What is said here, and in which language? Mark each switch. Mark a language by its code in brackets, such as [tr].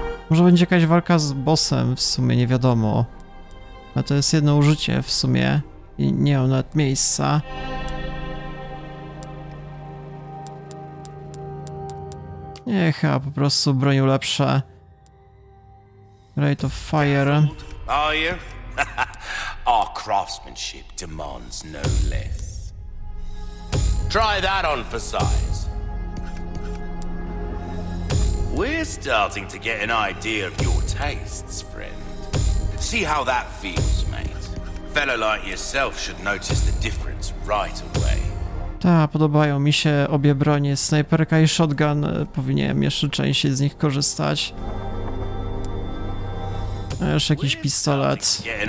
[pl] Może będzie jakaś walka z bossem w sumie, nie wiadomo. A to jest jedno użycie w sumie. I nie mam nawet miejsca. Nie, chyba po prostu broń lepsze. [en] Rate of fire. Are you? Our craftsmanship demands no less. Try that on for size. We're starting to get an idea of your tastes, friend. See how that feels, mate. Fellow like yourself should notice the difference right away. [pl] Tak, podobają mi się obie bronie, snajperka i shotgun. Powinienem jeszcze częściej z nich korzystać. Już jakiś pistolet.